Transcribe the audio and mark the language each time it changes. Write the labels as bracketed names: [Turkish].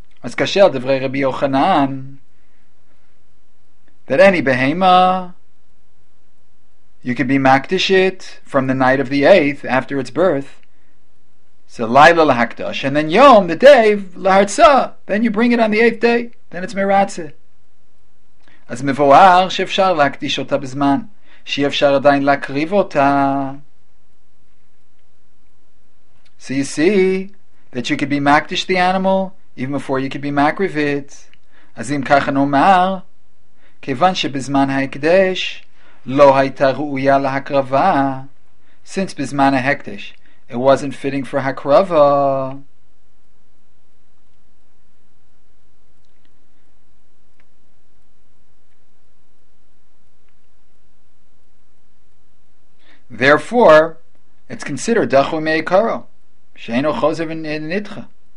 [Hebrew] As kashel devrei Rabbi Yochanan. [English] That any behema, you could be makdishit from the night of the eighth after its birth. So [Hebrew] laila lahakdash. [English] And then yom, the day, lahartza. Then you bring it on the eighth day. Then it's meratze. [Hebrew] אז מבואר שאפשר להקדיש אותה בזמן, שאי אפשר עדיין להקריב אותה. [English] So you see that you could be makdish the animal even before you could be makriv it. [Hebrew] אז אם ככה נאמר, כיוון שבזמן ההקדש לא הייתה ראויה להקרבה. [English] Since [Hebrew] בזמן ההקדש, [English] it wasn't fitting for הקרבה. Therefore, it's considered [Hebrew] dachu meikaro, sheino chozev in nitcha.